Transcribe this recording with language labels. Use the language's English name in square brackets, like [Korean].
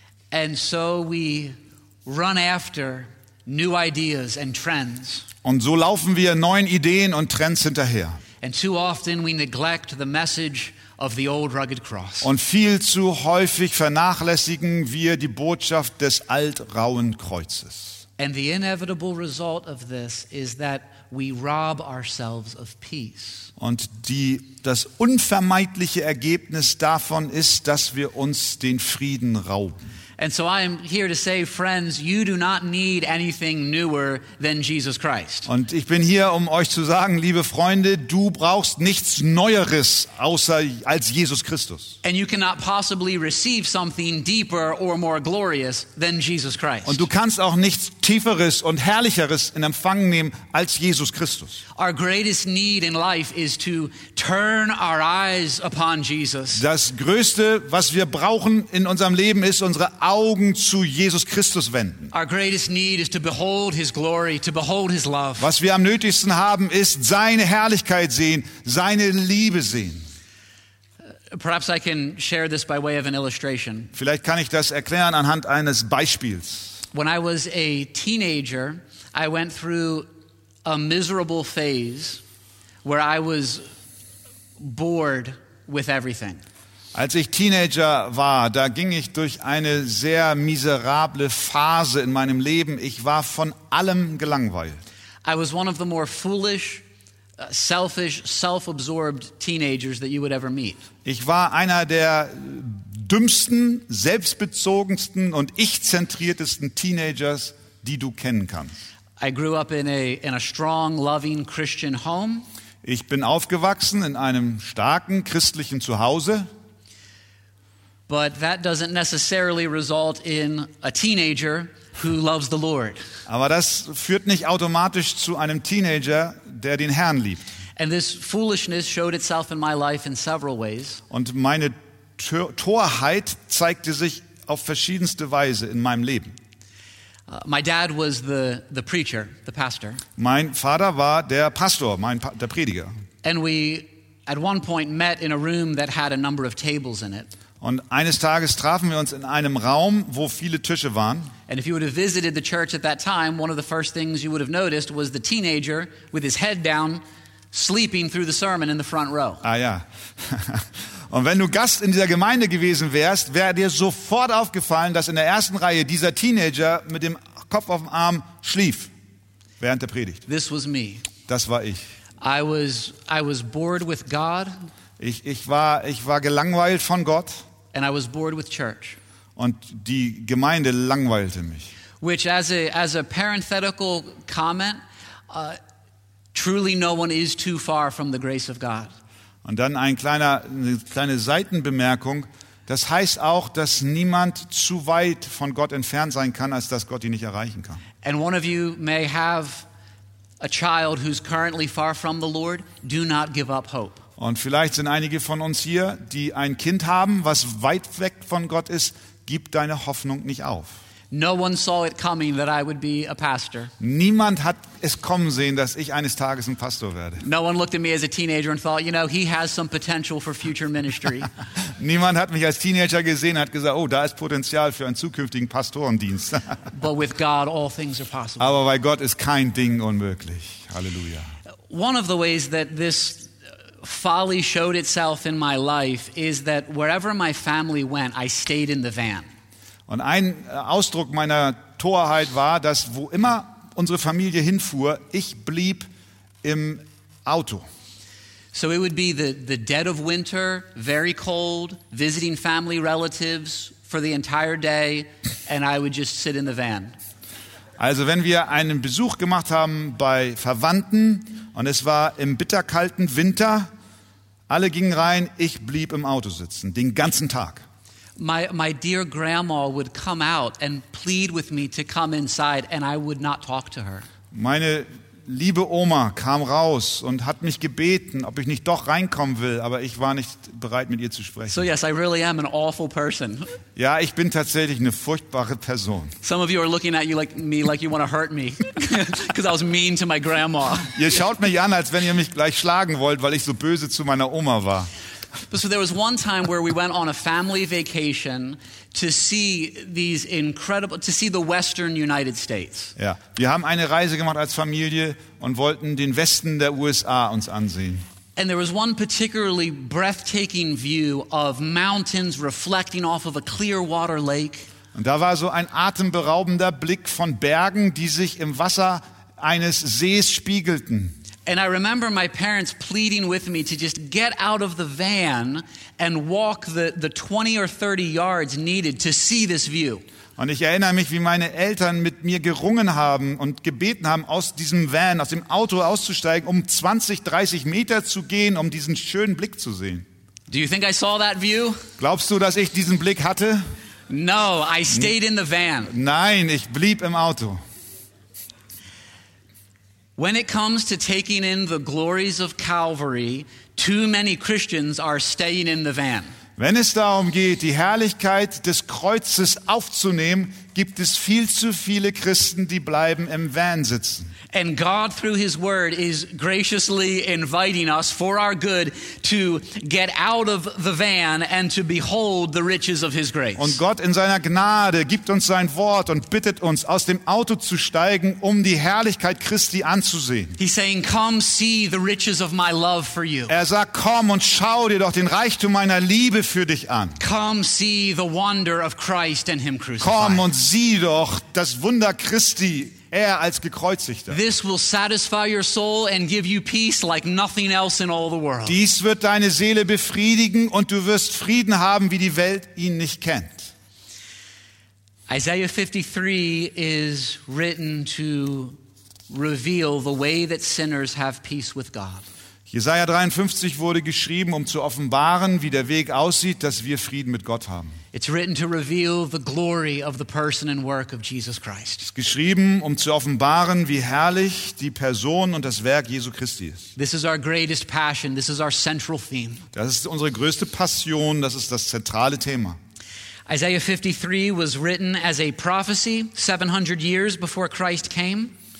[English] And so we run after new ideas and trends. [German] Und so laufen wir neuen Ideen und Trends hinterher. [English] And too often we neglect the message of the old rugged cross. [German] Und viel zu häufig vernachlässigen wir die Botschaft des altrauen Kreuzes. [English] And the inevitable result of this is that we rob ourselves of peace. [German] Und das unvermeidliche Ergebnis davon ist, dass wir uns den Frieden rauben. [English] And so I am here to say, friends, you do not need anything newer than Jesus Christ. [German] Und ich bin hier, um euch zu sagen, liebe Freunde, du brauchst nichts Neueres außer als Jesus Christus. [English] And you cannot possibly receive something deeper or more glorious than Jesus Christ. [German] Und du kannst auch nichts Tieferes und Herrlicheres in Empfang nehmen als Jesus Christus. [English] Our greatest need in life is to turn our eyes upon Jesus. [German] Das Größte, was wir brauchen in unserem Leben, ist unsere Augen zu Jesus Christus wenden. [English] Our greatest need is to behold his glory, to behold his love. [German] Was wir am nötigsten haben, ist seine Herrlichkeit sehen, seine Liebe sehen. [English] Perhaps I can share this by way of an illustration. [German] Vielleicht kann ich das erklären anhand eines Beispiels. [English] When I was a teenager, I went through a miserable phase where I was bored with everything. [German] Als ich Teenager war, da ging ich durch eine sehr miserable Phase in meinem Leben. Ich war von allem gelangweilt. [English] I was one of the more foolish, selfish, self-absorbed teenagers that you would ever meet. [German] Ich war einer der dümmsten, selbstbezogensten und ich-zentriertesten Teenagers, die du kennen kannst. [English] I grew up in a strong, loving Christian home. [German] Ich bin aufgewachsen in einem starken christlichen Zuhause. [English] But that doesn't necessarily result in a teenager who loves the Lord. [German] Aber das führt nicht automatisch zu einem Teenager, der den Herrn liebt. [English] And this foolishness showed itself in my life in several ways. [German] Und meine Torheit zeigte sich auf verschiedenste Weise in meinem Leben. [English] My dad was the preacher, the pastor. [German] Mein Vater war der Pastor, der Prediger. [English] And we at one point met in a room that had a number of tables in it. [German] Und eines Tages trafen wir uns in einem Raum, wo viele Tische waren. [English] And if you would have visited the church at that time, one of the first things you would have noticed was the teenager with his head down sleeping through the sermon in the front row. [German] Ah ja. Und wenn du Gast in dieser Gemeinde gewesen wärst, wäre dir sofort aufgefallen, dass in der ersten Reihe dieser Teenager mit dem Kopf auf dem Arm schlief während der Predigt. [English] This was me. [German] Das war ich. [English] I was bored with God. [German] Ich war gelangweilt von Gott. [English] And I was bored with church. [German] Und die Gemeinde langweilte mich. [English] Which as a parenthetical comment, truly no one is too far from the grace of God. [German] Und dann eine kleine Seitenbemerkung. Das heißt auch, dass niemand zu weit von Gott entfernt sein kann, als dass Gott ihn nicht erreichen kann. [English] And one of you may have a child who's currently far from the Lord. Do not give up hope. [German] Und vielleicht sind einige von uns hier, die ein Kind haben, was weit weg von Gott ist, gib deine Hoffnung nicht auf. [English] No one saw it coming that I would be a pastor. [German] Niemand hat es kommen sehen, dass ich eines Tages ein Pastor werde. [English] No one looked at me as a teenager and thought, you know, he has some potential for future ministry. [German] Niemand hat mich als Teenager gesehen und hat gesagt, oh, da ist Potenzial für einen zukünftigen Pastorendienst. [English] But with God all things are possible. [German] Aber bei Gott ist kein Ding unmöglich. Halleluja. [English] One of the ways that this folly showed itself in my life is that wherever my family went, I stayed in the van. [German] Und ein Ausdruck meiner Torheit war, dass wo immer unsere Familie hinfuhr, ich blieb im Auto. [English] So it would be the dead of winter, very cold, visiting family relatives for the entire day, and I would just sit in the van. [German] Also wenn wir einen Besuch gemacht haben bei Verwandten und es war im bitterkalten Winter, alle gingen rein, ich blieb im Auto sitzen, den ganzen Tag. [English] My dear grandma would come out and plead with me to come inside, and I would not talk to her. [German] Meine liebe Oma kam raus und hat mich gebeten, ob ich nicht doch reinkommen will, aber ich war nicht bereit, mit ihr zu sprechen. [English] So yes, I really am an awful person. [German] Ja, ich bin tatsächlich eine furchtbare Person. [English] Some of you are looking at you like me, like you want to hurt me, because I was mean to my grandma. [German] Ihr schaut mich an, als wenn ihr mich gleich schlagen wollt, weil ich so böse zu meiner Oma war. [English] So there was one time where we went on a family vacation to see these incredible, to see the Western United States. [German] Ja, wir haben eine Reise gemacht als Familie und wollten den Westen der USA uns ansehen. [English] And there was one particularly breathtaking view of mountains reflecting off of a clear water lake. [German] Und da war so ein atemberaubender Blick von Bergen, die sich im Wasser eines Sees spiegelten. [English] And I remember my parents pleading with me to just get out of the van and walk the 20 or 30 yards needed to see this view. [German] Und ich erinnere mich, wie meine Eltern mit mir gerungen haben und gebeten haben, aus diesem Van, aus dem Auto auszusteigen, um 20, 30 Meter zu gehen, um diesen schönen Blick zu sehen. [English] Do you think I saw that view? [German] Glaubst du, dass ich diesen Blick hatte? [English] No, I stayed in the van. [German] Nein, ich blieb im Auto. [English] When it comes to taking in the glories of Calvary, too many Christians are staying in the van. [German] Wenn es darum geht, die Herrlichkeit des Kreuzes aufzunehmen, gibt es viel zu viele Christen, die bleiben im Van sitzen. [English] And God through his word is graciously inviting us for our good to get out of the van and to behold the riches of his grace. [German] Und Gott in seiner Gnade gibt uns sein Wort und bittet uns, aus dem Auto zu steigen, um die Herrlichkeit Christi anzusehen. [English] He's saying, come see the riches of my love for you. [German] Er sagt, komm und schau dir doch den Reichtum meiner Liebe für dich an. [English] Come see the wonder of Christ and him crucified. [German] Komm und sieh doch das Wunder Christi. Er als Gekreuzigter. [English] This will satisfy your soul and give you peace like nothing else in all the world. [German] Dies wird deine Seele befriedigen und du wirst Frieden haben, wie die Welt ihn nicht kennt. [English] Isaiah 53 is written to reveal the way that sinners have peace with God. [German] Jesaja 53 wurde geschrieben, um zu offenbaren, wie der Weg aussieht, dass wir Frieden mit Gott haben. [English] It's written to reveal the glory of the person and work of Jesus Christ. [German] Es ist geschrieben, um zu offenbaren, wie herrlich die Person und das Werk Jesu Christi ist. [English] This is our greatest passion. This is our central theme. [German] Das ist unsere größte Passion. Das ist das zentrale Thema. [English] Isaiah 53 was written as a prophecy 700 years before Christ came.